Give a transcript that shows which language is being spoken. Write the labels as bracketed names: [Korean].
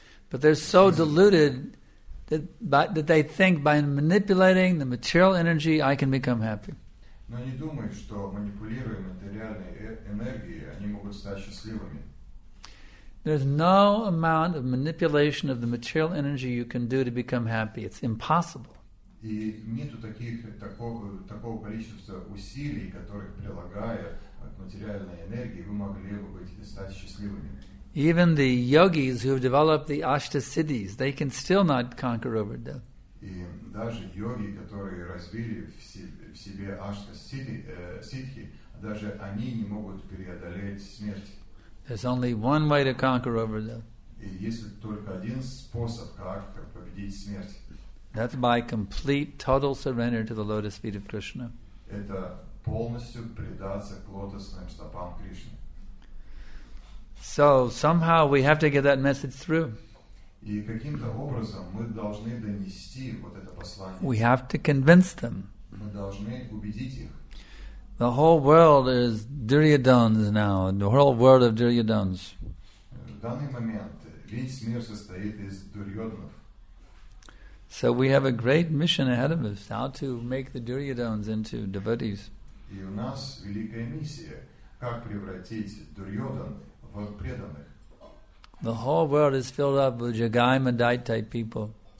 [English] But they're so deluded that they think by manipulating the material energy I can become happy. [Russian] Но они думают, что манипулируя материальной энергией, они могут стать счастливыми. [English] There's no amount of manipulation of the material energy you can do to become happy. It's impossible. [Russian] И нету такого количества усилий, которых прилагая от материальной энергии, вы могли бы быть стать счастливыми. [English] Even the yogis who have developed the ashtasiddhis, they can still not conquer over death. [Russian] И даже йоги, которые развили в себе ашта-сиддхи, даже они не могут преодолеть смерть. [English] There's only one way to conquer over death. [Russian] И есть только один способ, как победить смерть. [English] That's by complete, total surrender to the lotus feet of Krishna. [Russian] Это полностью предаться к лотосным стопам Кришны. [English] So somehow we have to get that message through. [Russian] И каким-то образом мы должны донести вот это послание. [English] We have to convince them. [Russian] Мы должны убедить их. [English] The whole world is Duryodhana's now. The whole world of Duryodhana's. [Russian] В данный момент весь мир состоит из Дурьёдонов. [English] So we have a great mission ahead of us: how to make the Duryodhana's into devotees. [Russian] И у нас великая миссия: как превратить Дурьёдон в преданных. [English] The whole world is filled up with Jagai-Madai-type people.